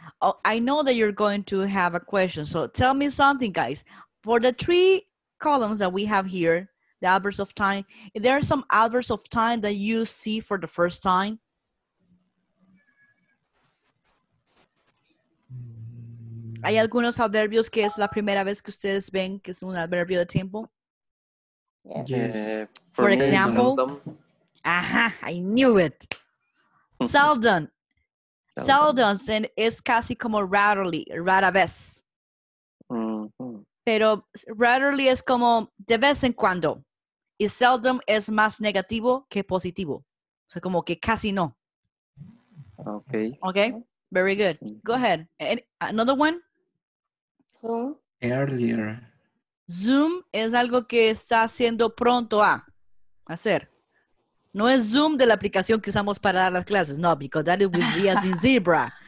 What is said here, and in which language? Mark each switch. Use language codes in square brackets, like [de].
[en] Oh, I know that you're going to have a question. So tell me something, guys. For the three columns that we have here, the adverbs of time, is there some adverbs of time that you see for the first time? [es] ¿Hay algunos adverbios que es la primera vez que ustedes ven que es un adverbio de tiempo? [en] Yes. For example, aha, I knew it. Seldom. Seldom. [es] Seldom es casi como rarely, rara vez. Mm-hmm. Pero rarely es como de vez en cuando. Y seldom es más negativo que positivo. O sea, como que casi no. [en] Okay. Okay, very good. Go ahead. Another one. Soon. Earlier. [es] Zoom es algo que está haciendo pronto a hacer. No es Zoom de la aplicación que usamos para dar las clases. [en] No, because that is with Z as in zebra.